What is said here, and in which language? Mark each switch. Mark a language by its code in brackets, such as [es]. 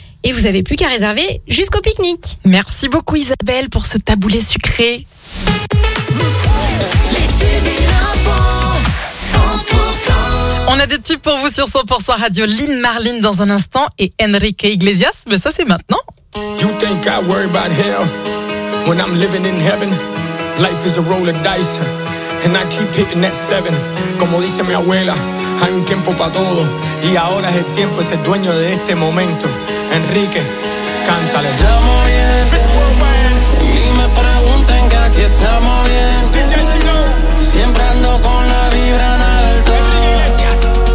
[fr] Et vous n'avez plus qu'à réserver jusqu'au pique-nique. Merci beaucoup Isabelle pour ce taboulé sucré. On a des tubes pour vous sur 100% Radio. Lynn Marlin dans un instant et Enrique Iglesias, mais ça c'est maintenant. [en] You think I worry about hell when I'm living in heaven? Life is a roll of dice, and I keep hitting that 7. [es] Como dice mi abuela, hay un tiempo para todo, y ahora es el tiempo, es el dueño de este momento. Enrique, cántale. Estamos bien, [en] this world man. [es] Y me preguntan que aquí estamos bien. DJ Sino. Siempre ando con la vibra en alto. Gracias.